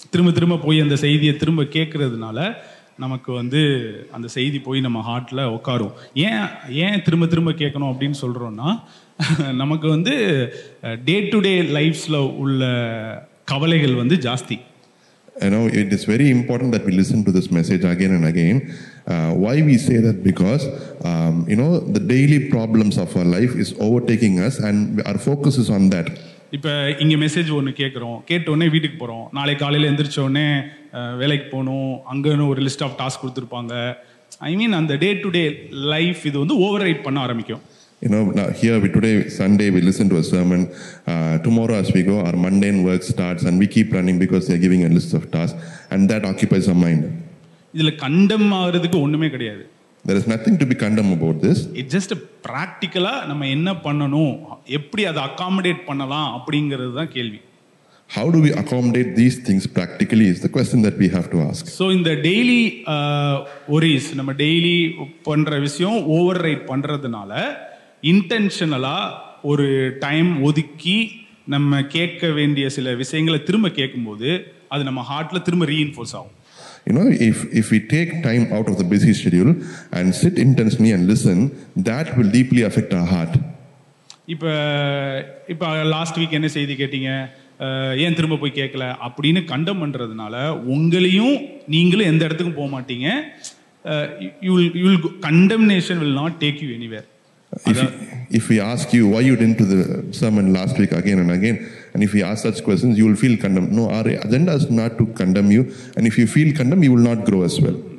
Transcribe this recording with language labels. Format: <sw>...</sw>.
<ta>திரும்ப திரும்ப போய் அந்த செய்தியை திரும்ப கேட்கறதுனால நமக்கு வந்து அந்த செய்தி போய் நம்ம ஹார்ட்டில் உட்காரும். ஏன் திரும்ப திரும்ப கேட்கணும் அப்படின்னு சொல்கிறோன்னா, நமக்கு வந்து டே டு டே லைஃப்ஸில் உள்ள கவலைகள் வந்து ஜாஸ்தி.</ta> <en>You know, it is very important that we listen to this message again and again. Why we say that? Because, you know, the daily problems of our life is overtaking us and our focus is on that.</en> <ta>இப்போ இங்கே message ஒன்று கேட்குறோம், கேட்டோடனே வீட்டுக்கு போகிறோம், நாளை காலையில் எழுந்திரிச்சோடனே வேலைக்கு போகணும், அங்கேன்னு ஒரு லிஸ்ட் ஆஃப் டாஸ்க் கொடுத்துருப்பாங்க. ஐ மீன் அந்த டே டு டே லைஃப் இது வந்து ஓவர் ரைட் பண்ண ஆரம்பிக்கும்.</ta> <en>You know, now here we today, Sunday, we listen to a sermon. Tomorrow as we go, our mundane work starts and we keep running because they are giving a list of tasks and that occupies our mind.</en> <ta>இதுல கண்டம் ஆகிறதுக்கு ஒண்ணுமே கிடையாது.</ta> <en>There is nothing to be condemned about this. It's just a practically,</en> <ta>நம்ம என்ன பண்ணணும், எப்படி அதை அகாமடேட் பண்ணலாம் அப்படிங்கிறது தான் கேள்வி.</ta> <en>How do we accommodate these things practically is the question that we have to ask. So in the daily worries,</en> <ta>நம்ம daily பண்ற விஷயம் ஓவர்ரைட் பண்றதுனால இன்டென்ஷனலாக ஒரு டைம் ஒதுக்கி நம்ம கேட்க வேண்டிய சில விஷயங்களை திரும்ப கேட்கும்போது அது நம்ம ஹார்ட்டில் திரும்ப ரீஇன்ஃபோர்ஸ் ஆகும்.</ta> <en>You know, if we take time out of the busy schedule and sit intentionally and listen, that will deeply affect our heart.</en> <ta>இப்போ லாஸ்ட் வீக் என்ன செய்தி கேட்டீங்க, ஏன் திரும்ப போய் கேட்கல அப்படின்னு கண்டம் பண்ணுறதுனால உங்களையும் நீங்களும் எந்த இடத்துக்கும் போக மாட்டீங்க.</ta> <en>You will condemnation will not take you anywhere. If we ask you why you didn't to the sermon last week again and again, and if we ask such questions, you will feel condemned. No, our agenda is not to condemn you, and if you feel condemned, you will not grow as well.</en>